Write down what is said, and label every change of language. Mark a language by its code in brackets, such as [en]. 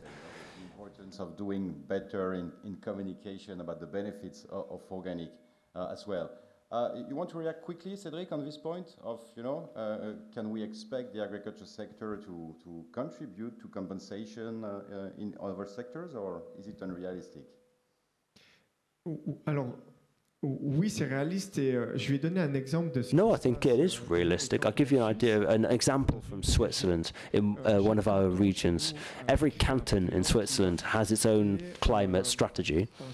[en] The importance of doing better in communication about the benefits of organic as well. You want to react quickly, Cédric, on this point of, can we expect the agriculture sector to contribute to compensation in other sectors, or is it unrealistic? [fr] Alors, oui, c'est réaliste, et je vais donner un exemple de ce. [en] No, I think it is realistic. I'll give you an example from Switzerland, in one of our regions. Every canton in Switzerland has its own climate strategy.